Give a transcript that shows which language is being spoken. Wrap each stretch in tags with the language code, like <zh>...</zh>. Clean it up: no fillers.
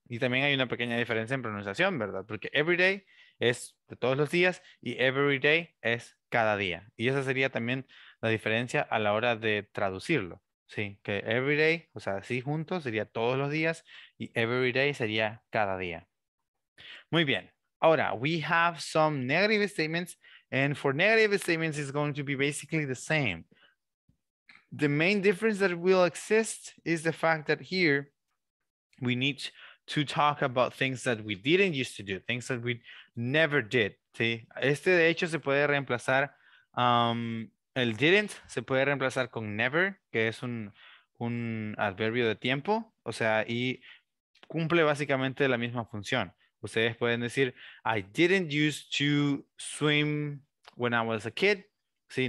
<es>Y también hay una pequeña diferencia en pronunciación, ¿verdad? Porque everyday es de todos los días y everyday es cada día. Y esa sería también la diferencia a la hora de traducirlo, ¿sí? Que everyday, o sea, sí, juntos, sería todos los días y everyday sería cada día. Muy bien. Ahora,</es> <en>we have some negative statements. And for negative statements, it's going to be basically the same. The main difference that will exist is the fact that here we need to talk about things that we didn't used to do, things that we never did,</en> <es>¿sí? Este, de hecho, se puede reemplazar, el didn't se puede reemplazar con never, que es un adverbio de tiempo, o sea, y cumple básicamente la misma función. Ustedes pueden decir,</es> <en>I didn't used to swim when I was a kid,</en> <es>¿sí?</es>